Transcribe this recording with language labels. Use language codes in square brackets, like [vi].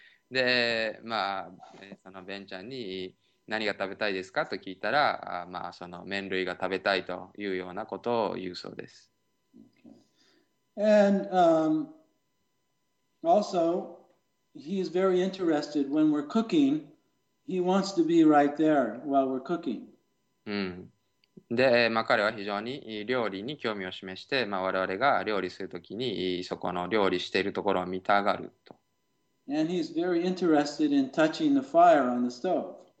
[ja] で、まあ、そのベンちゃんに何が食べたいですかと聞いたら、まあ、その麺類が食べたいというようなことを言うそうです。 [en] Okay. And, also,He is very interested when we're cooking. He wants to be right there while we're cooking. [ja] で、まあ、彼は非常に料理に興味を示して、まあ、我々が料理するときにそこの料理しているところを見たがると。 [en] And he's very interested in touching the fire on the stove.